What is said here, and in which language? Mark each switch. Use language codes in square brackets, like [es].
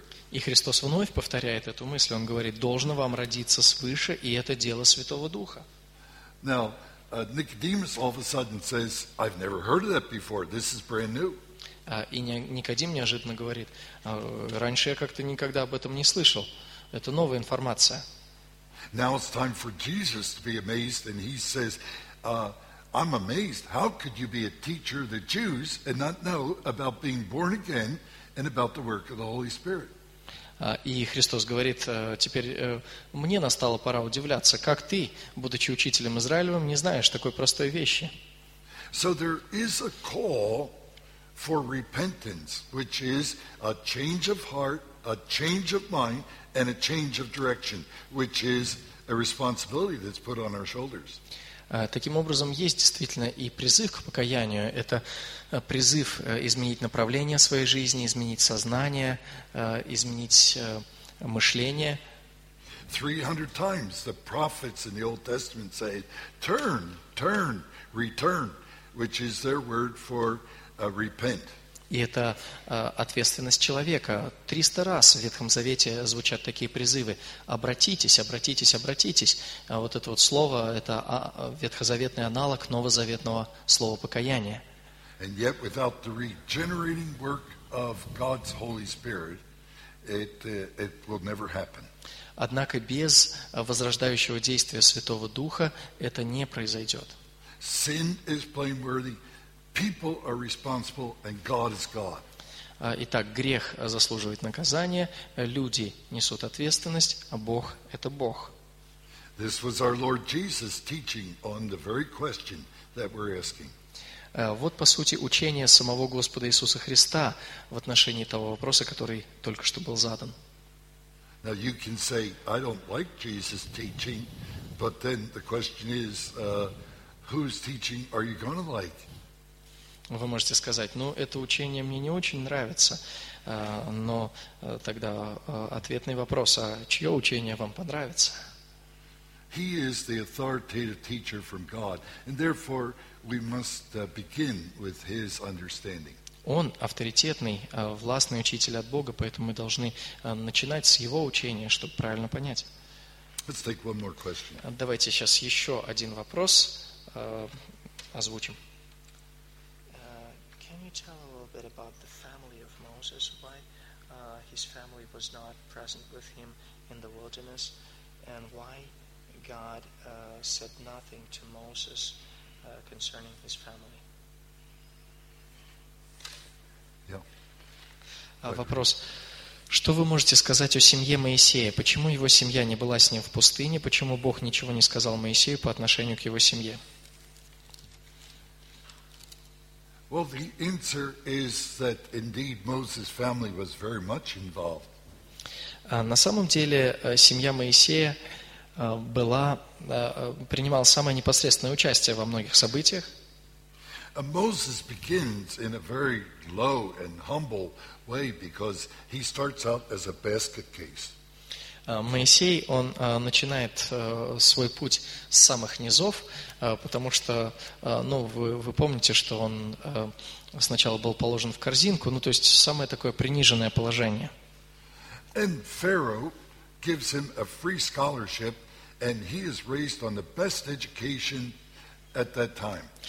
[ru] И Христос вновь повторяет эту мысль. Он говорит: должно вам родиться свыше, и это дело Святого Духа. [en] Nicodemus all of a sudden says, I've never heard of that before. This is brand new. [ru] И Никодим неожиданно говорит: раньше я как-то никогда об этом не слышал. Это новая информация. [en] Now it's time for Jesus to be amazed, and he says, I'm amazed. How could you be a teacher of the Jews and not know about being born again and about the work of the Holy Spirit? [ru] И Христос говорит: теперь мне настала пора удивляться, как ты, будучи учителем Израилевым, не знаешь такой простой вещи. [en] So there is a call for repentance, which is a change of heart, a change of mind, and a change of direction, which is a responsibility that's put on our shoulders. [ru] Таким образом, есть действительно и призыв к покаянию. Это призыв изменить направление своей жизни, изменить сознание, изменить мышление. [en] 300 times the prophets in the Old Testament say, turn, turn, return, which is their word for repent. [ru] И это ответственность человека. 300 раз в Ветхом Завете звучат такие призывы: обратитесь, обратитесь, обратитесь. А вот это вот слово, это ветхозаветный аналог новозаветного слова покаяния. [en] And yet without the regenerating work of God's Holy Spirit, it will never happen. [ru] Однако без возрождающего действия Святого Духа это не произойдет. [en] Sin is blameworthy. People are responsible, and God is God. [ru] Итак, грех заслуживает наказания, люди несут ответственность, а Бог – это Бог. [en] This was our Lord Jesus teaching on the very question that we're asking. [ru] Вот, по сути, учение самого Господа Иисуса Христа в отношении того вопроса, который только что был задан. [en] Now you can say, I don't like Jesus' teaching, but then the question is, whose teaching are you going to like? [ru] Вы можете сказать, ну, это учение мне не очень нравится, но тогда ответный вопрос, а чье учение вам понравится? [en] He is the authoritative teacher from God, and therefore we must begin with his understanding. [ru] Он авторитетный, властный учитель от Бога, поэтому мы должны начинать с его учения, чтобы правильно понять. [en] Let's take one more question. [ru] Давайте сейчас еще один вопрос озвучим. [en] Can you tell a little bit about the family of Moses? Why his family was not present with him in the wilderness? And why God said nothing to Moses concerning his family? [ru] Вопрос. Что вы можете сказать о семье Моисея? Почему его семья не была с ним в пустыне? Почему Бог ничего не сказал Моисею по отношению к его семье? [en] Well, the answer is that indeed Moses' family was very much involved. [ru] На самом деле, семья Моисея была, принимала самое непосредственное участие во многих событиях. [en] Moses begins in a very low and humble way because he starts out as a basket case. [ru] Моисей, он начинает свой путь с самых низов, потому что, ну, вы помните, что он сначала был положен в корзинку, ну, то есть самое такое приниженное положение. [en] And Pharaoh gives him a free scholarship, and he is raised on the best education at that time.